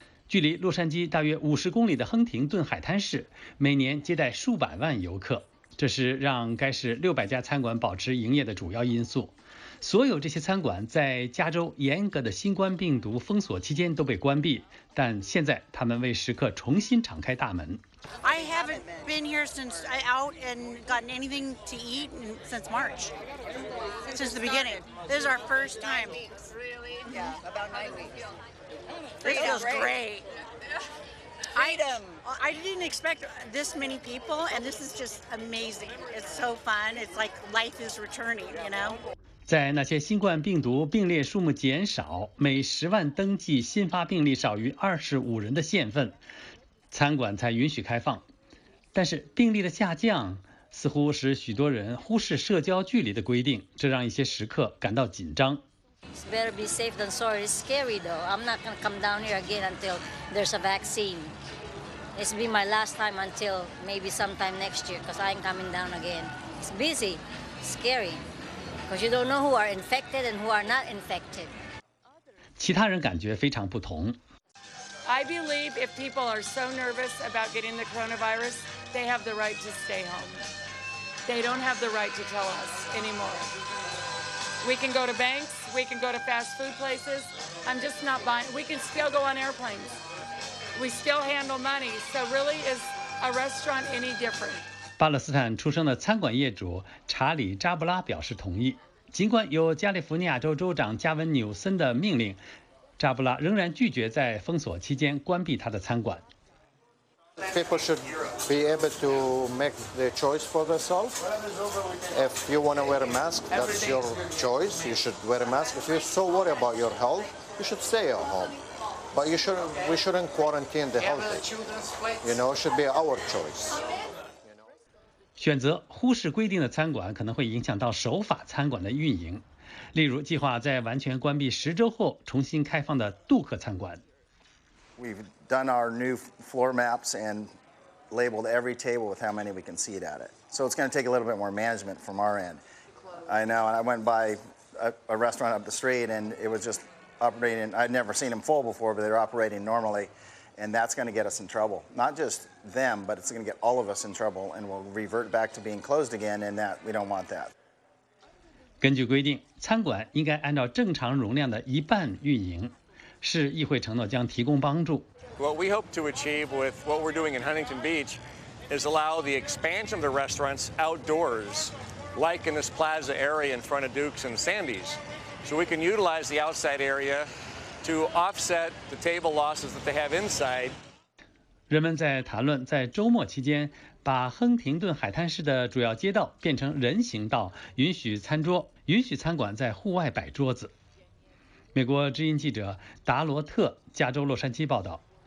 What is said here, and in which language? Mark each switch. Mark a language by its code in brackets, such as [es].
[zh] 距离洛杉矶大约50公里的亨廷顿海滩市每年接待数百万游客，这是让该市600家餐馆保持营业的主要因素。所有这些餐馆在加州严格的新冠病毒封锁期间都被关闭，但现在他们为食客重新敞开大门。 [en] I haven't been here since I out and gotten anything to eat since March, since the beginning. This is our first time. This feels great. Freedom. I didn't expect this many people, and this is just amazing. It's so fun. It's like life is returning, you know? [zh] 在那些新冠病毒病例数目减少，每10万登记新发病例少于25人的县份，餐馆才允许开放。但是病例的下降似乎使许多人忽视社交距离的规定，这让一些食客感到紧张。 [en] It's better be safe than sorry. It's scary though. I'm not gonna come down here again until there's a vaccine. It's been my last time until maybe sometime next year, cause I ain't coming down again. It's busy, scary, cause you don't know who are infected and who are not infected. [zh] 其他人感觉非常不同。 [en] I believe if people are so nervous about getting the coronavirus, they have the right to stay home. They don't have the right to tell us anymore. We can go to banks. We can go to fast food places. I'm just not buying. We can still go on airplanes. We still handle money. So really, is a restaurant any different? [zh] 巴勒斯坦出生的餐馆业主查理·扎布拉表示同意。尽管有加利福尼亚州州长加文·纽森的命令，扎布拉仍然拒绝在封锁期间关闭他的餐馆。 [en] People should be able to make the choice for themselves. If you want to wear a mask, that's your choice. You should wear a mask. If you're so worried about your health, you should stay at home. But you should, we shouldn't quarantine the healthy. You know, it should be our choice. [zh] 选择忽视规定的餐馆可能会影响到守法餐馆的运营，例如计划在完全关闭10周后重新开放的杜克餐馆。 [en] We've done our new floor maps and labeled every table with how many we can seat at it. So it's going to take a little bit more management from our end. I know, and I went by a restaurant up the street and it was just operating. I'd never seen them full before, but they're operating normally. And that's going to get us in trouble. Not just them, but it's going to get all of us in trouble and we'll revert back to being closed again and that we don't want that. [zh] 根据规定，餐馆应该按照正常容量的一半运营。市议会承诺将提供帮助。 [en] What we hope to achieve with what we're doing in Huntington Beach is allow the expansion of the restaurants outdoors, like in this plaza area in front of Duke's and Sandy's. So we can utilize the outside area to offset the table losses that they have inside. [zh] 人们在谈论在周末期间把亨廷顿海滩市的主要街道变成人行道，允许餐桌，允许餐馆在户外摆桌子。美国之音记者达罗特，加州洛杉矶报道。